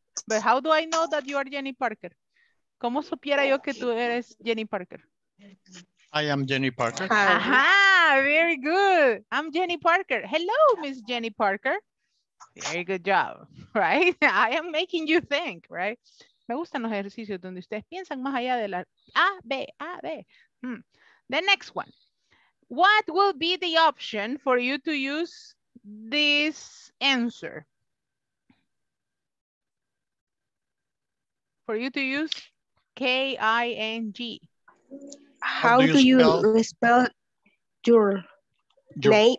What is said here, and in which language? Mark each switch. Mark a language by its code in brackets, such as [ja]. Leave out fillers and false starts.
[en] But how do I know that you are Jenny Parker? [es] ¿Cómo supiera yo que tú eres Jenny Parker? [en] I am Jenny Parker. Aha, very good. I'm Jenny Parker. Hello, Miss Jenny Parker. Very good job, right? I am making you think, right? [es] Me gustan los ejercicios donde ustedes piensan más allá de la A, B. [en] The next one. What will be the option for you to use this answer? For you to use K-I-N-G. How do you spell your name?